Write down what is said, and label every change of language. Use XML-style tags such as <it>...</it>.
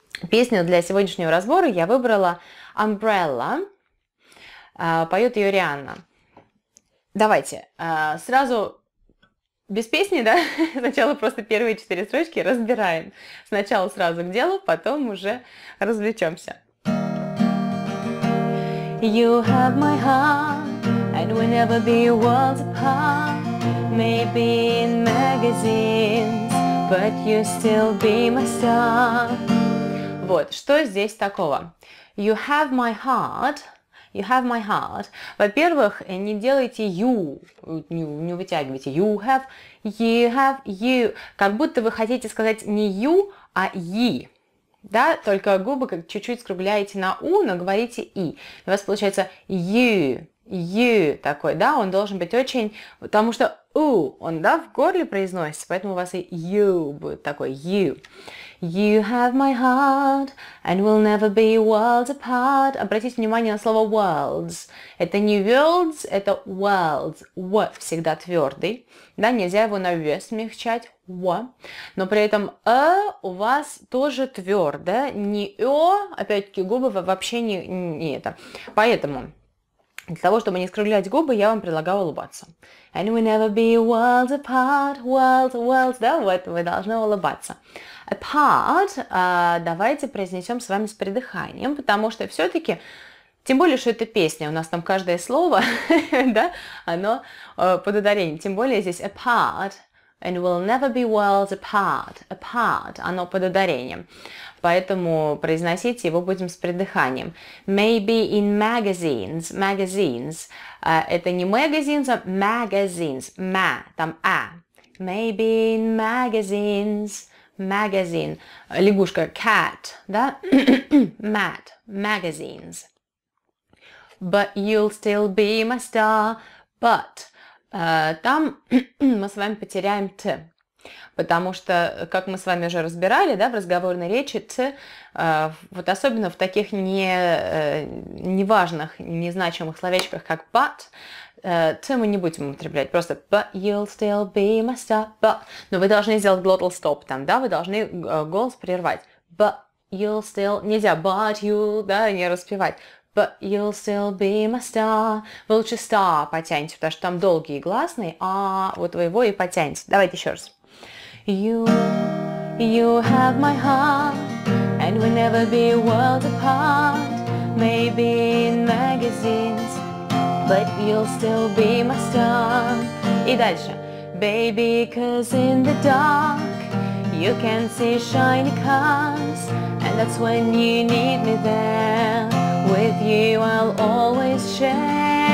<ru>Песню для сегодняшнего разбора я выбрала «Umbrella». Поет ее Рианна. Давайте, сразу... Без песни, да? Сначала просто первые 4 строчки разбираем. Сначала сразу к делу, потом уже развлечемся.</ru> <en>You have my heart, and we'll never be worlds apart. Maybe in magazines, but you still be my star.</en> <ru>Вот, что здесь такого?</ru> <en>You have my heart. You have my heart.</en> <ru>Во-первых, не делайте you, не вытягивайте.</ru> <en>You have, you have, you.</en> <ru>Как будто вы хотите сказать не you, а ye. Да, только губы как чуть-чуть скругляете на у, но говорите и. У вас получается you, you такой, да, он должен быть очень, потому что у, он, да, в горле произносится, поэтому у вас и you будет такой, you.</ru> <en>You have my heart, and we'll never be worlds apart.</en> <ru>Обратите внимание на слово worlds. Это не worlds, это worlds. W всегда твердый. Да, нельзя его на ве смягчать.</ru> <en>W.</en> <ru>Но при этом a у вас тоже твердое. Не о, опять-таки губы вообще не это. Поэтому для того, чтобы не скруглять губы, я вам предлагаю улыбаться.</ru> <en>And we'll never be worlds apart, worlds, worlds.</en> <ru>Да, вот вы должны улыбаться. Apart, давайте произнесем с вами с придыханием, потому что все-таки, тем более, что это песня, у нас там каждое слово, да, оно под ударением, тем более здесь apart,</ru> <en>and will never be worlds apart,</en> <ru>apart, оно под ударением, поэтому произносить его будем с придыханием.</ru> <en>Maybe in magazines, magazines, это не magazines, а magazines, ma, там a, maybe in magazines.</en> <ru>Magazine, лягушка, cat, да, mat, magazines,</ru> <en>but you'll still be my star,</en> <ru>but, там мы с вами потеряем t, потому что, как мы с вами уже разбирали, да, в разговорной речи, t, вот особенно в таких неважных, незначимых словечках, как but, t мы не будем употреблять, просто</ru> <en>but you'll still be my star,</en> <ru>but, но вы должны сделать glottal stop там, да, вы должны голос прервать, but you'll still, нельзя but you, да, не распевать, but you'll still be my star, вы лучше star потяните, потому что там долгие гласные, а вот вы его и потянете, давайте еще раз.</ru> <en>You, you have my heart, and we'll never be worlds apart, maybe in magazines, but you'll still be my star.</en> <ru>И дальше.</ru> <en>Baby, 'cause in the dark, you can see shiny cars, and that's when you need me there, with you I'll always share.</en>